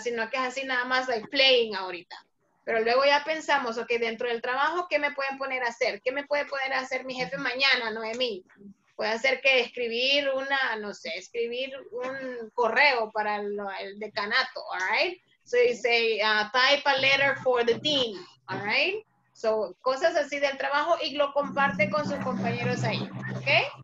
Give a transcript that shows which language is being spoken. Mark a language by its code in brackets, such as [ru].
[es] Sino que es así nada más [en] like playing [es] ahorita. Pero luego ya pensamos, ok, dentro del trabajo, ¿qué me pueden poner a hacer? ¿Qué me puede poner a hacer mi jefe mañana, Noemí? Puede hacer que escribir una, no sé, escribir un correo para el decanato, [en] all right? So you say, type a letter for the dean, all right? [es] So, cosas así del trabajo y lo comparte con sus compañeros ahí, ¿ok?